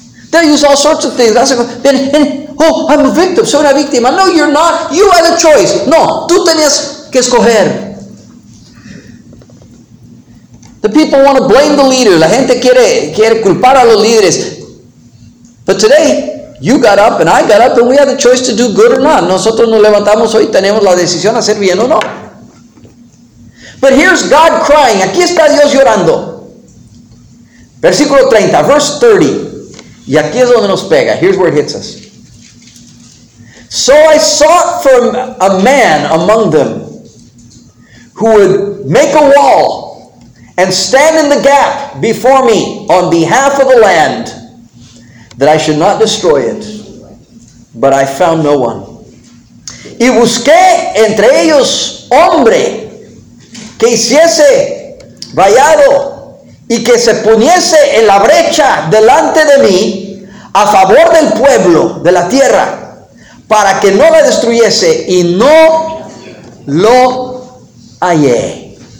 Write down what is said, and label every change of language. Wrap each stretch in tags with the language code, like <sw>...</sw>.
<en>They use all sorts of things. That's I'm a victim.</en> <es>Soy una víctima.</es> <en>No, you're not. You had a choice.</en> <es>No, tú tenías que escoger.</es> <en>The people want to blame the leader.</en> <es>La gente quiere culpar a los líderes.</es> <en>But today, you got up and I got up and we had the choice to do good or not.</en> <es>Nosotros nos levantamos hoy y tenemos la decisión de hacer bien o no.</es> <en>But here's God crying.</en> <es>Aquí está Dios llorando. Versículo 30,</es> <en>verse 30.</en> <es>Y aquí es donde nos pega.</es> <en>Here's where it hits us. So I sought for a man among them who would make a wall and stand in the gap before me on behalf of the land that I should not destroy it. But I found no one.</en> <es>Y busqué entre ellos hombre que hiciese vallado y que se poniese en la brecha delante de mí a favor del pueblo de la tierra para que no la destruyese, y no lo hallé.</es>